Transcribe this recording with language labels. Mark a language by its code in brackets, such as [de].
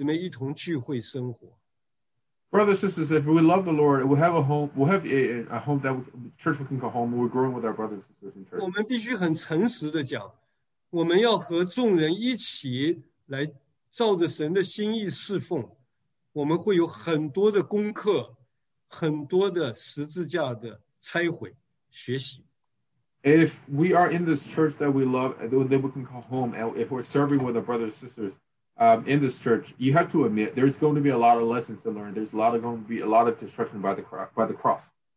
[zh] 若是我们有爱慕主的心呢，我们爱神的家，和弟兄姊妹一同聚会生活。 [en] Brothers and sisters, if we love the Lord, we have a home. We have a home that church we can call home. We're growing with our brothers and sisters in church. [zh] 我们必须很诚实的讲，我们要和众人一起来照着神的心意侍奉。我们会有很多的功课，很多的十字架的拆毁学习。 [en] If we are in this church that we love, then we can call home. And if we're serving with our brothers and sisters in this church, you have to admit there's going to be a lot of lessons to learn. There's going to be a lot of destruction by the cross.